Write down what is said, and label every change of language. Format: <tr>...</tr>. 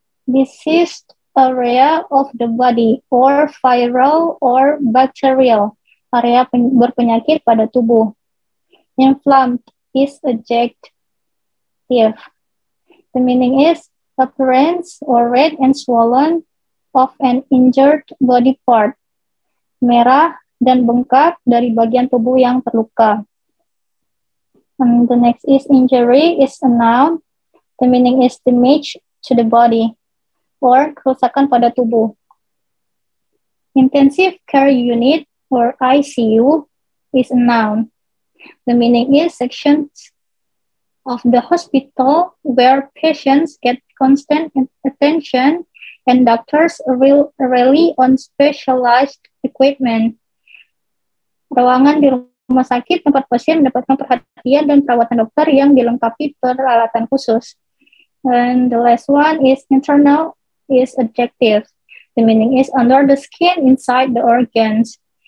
<en>Diseased area of the body, or viral, or bacterial,</en> <id>area berpenyakit pada tubuh.</id> <en>Inflamed, is adjective. The meaning is appearance, or red and swollen, of an injured body part.</en> <id>Merah dan bengkak dari bagian tubuh yang terluka.</id> <en>And the next is injury is a noun. The meaning is damage to the body or</en> <id>kerusakan pada tubuh.</id> <en>Intensive care unit or ICU is a noun. The meaning is sections of the hospital where patients get constant attention and doctors rely on specialized equipment.</en> <id>Ruangan di rumah sakit tempat pasien mendapatkan perhatian dan perawatan dokter yang dilengkapi peralatan khusus.</id> <en>And the last one is internal is adjective. The meaning is under the skin inside the organs.</en>